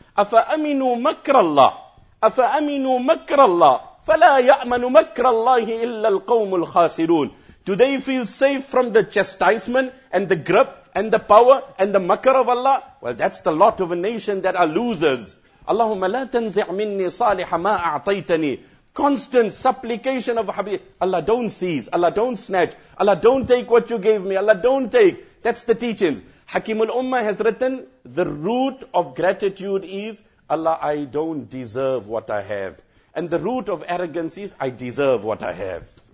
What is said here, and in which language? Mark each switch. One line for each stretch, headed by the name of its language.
Arabic: أَفَأَمِنُوا مَكْرَ اللَّهِ أَفَأَمِنُوا مَكْرَ اللَّهِ فَلَا يَأْمَنُ مَكْرَ اللَّهِ إِلَّا الْقَوْمُ الْخَاسِرُونَ
English: Do they feel safe from the chastisement and the grip and the power and the makr of Allah? Well, that's the lot of a nation that are losers.
Arabic: اللهم لا تنزع مني صالح ما أعطيتني.
English: Constant supplication of Habib. Allah, don't seize. Allah, don't snatch. Allah, don't take what you gave me. Allah, don't take. That's the teachings. Hakim al-Ummah has written, the root of gratitude is, Allah, I don't deserve what I have. And the root of arrogance is, I deserve what I have.